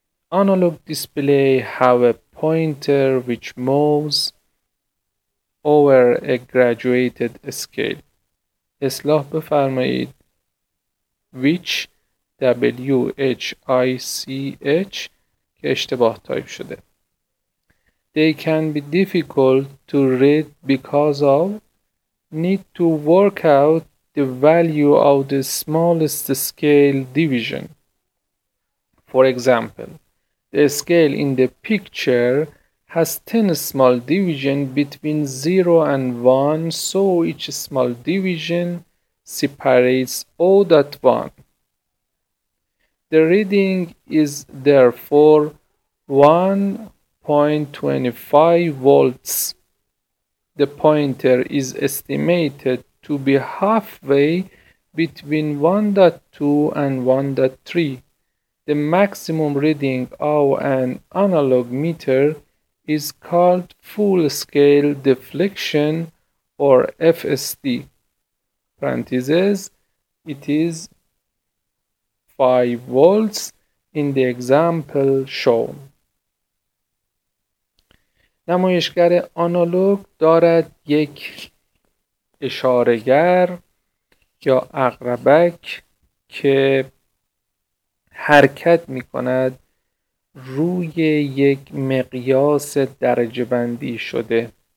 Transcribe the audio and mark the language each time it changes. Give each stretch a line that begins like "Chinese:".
English: Analogue display has a pointer which moves over a graduated scale.
Persian: اصلاح بفرمایید ویچ، W H I C H که اشتباه تایپ شده.
English: They can be difficult to read because of need to work out the value of the smallest scale division. For example, the scale in the picture has 10 small divisions between 0 and 1, so each small division separates 0.1. The reading is therefore 1.25 volts. The pointer is estimated to be halfway between 1.2 and 1.3. The maximum reading of an analog meter is called full scale deflection or FSD. Parentheses, it is 5 volts in the example shown.
Persian: نمایشگر آنالوگ دارد یک اشارگر یا عقربک که حرکت می کند روی یک مقیاس درجه بندی شده.